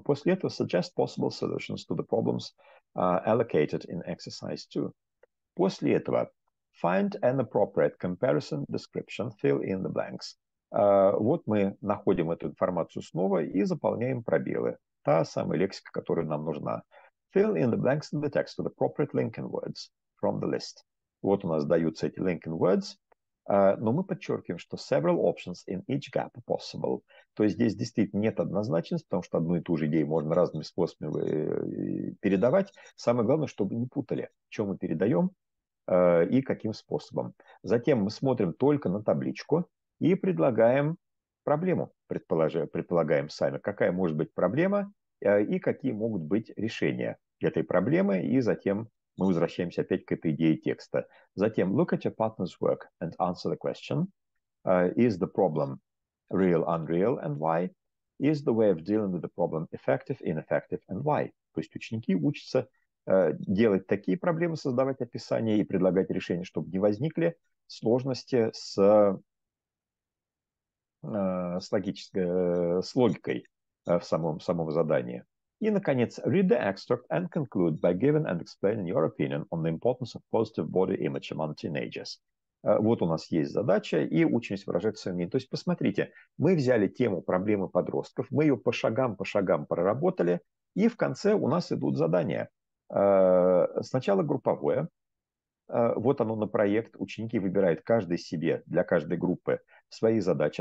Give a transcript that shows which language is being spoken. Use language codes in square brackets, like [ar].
[ru] После этого [en] suggest possible solutions to the problems allocated in exercise 2. [ru] После этого [en] find an appropriate comparison description, fill in the blanks. [ru] Вот мы находим эту информацию снова и заполняем пробелы. Та самая лексика, которая нам нужна. [en] Fill in the blanks in the text with appropriate linking words from the list. [ru] Вот у нас даются эти linking words. Но мы подчеркиваем, что [en] several options in each gap possible. [ru] То есть здесь действительно нет однозначности, потому что одну и ту же идею можно разными способами передавать. Самое главное, чтобы не путали, что мы передаем и каким способом. Затем мы смотрим только на табличку и предлагаем проблему, предполагаем сами, какая может быть проблема и какие могут быть решения этой проблемы, и затем мы возвращаемся опять к этой идее текста. Затем [en] look at your partner's work and answer the question. Is the problem real, unreal, and why? Is the way of dealing with the problem effective, ineffective, and why? [ru] То есть ученики учатся делать такие проблемы, создавать описания и предлагать решения, чтобы не возникли сложности с логикой в самом задании. И, наконец, [en] read the extract and conclude by giving and explaining your opinion on the importance of positive body image among teenagers. [ru] Вот у нас есть задача, и учимся выражать свое мнение. То есть, посмотрите, мы взяли тему проблемы подростков, мы ее по шагам проработали, и в конце у нас идут задания. Сначала групповое. Вот оно на проект. Ученики выбирают каждый себе для каждой группы свои задачи.